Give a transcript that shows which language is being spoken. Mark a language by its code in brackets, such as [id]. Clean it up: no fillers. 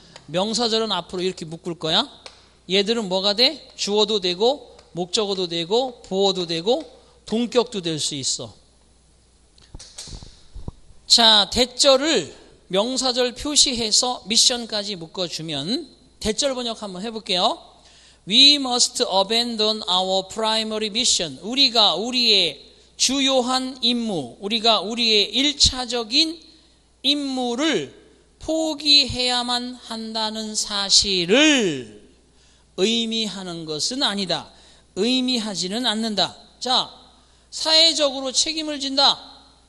[ko] 명사절은 앞으로 이렇게 묶을 거야. 얘들은 뭐가 돼? 주어도 되고 목적어도 되고 보어도 되고 동격도 될 수 있어. 자, 대절을 명사절 표시해서 미션까지 묶어주면 대절 번역 한번 해볼게요. [en] We must abandon our primary mission. [ko] 우리가 우리의 주요한 임무, 우리가 우리의 1차적인 임무를 포기해야만 한다는 사실을 의미하는 것은 아니다. 의미하지는 않는다. 자, 사회적으로 책임을 진다.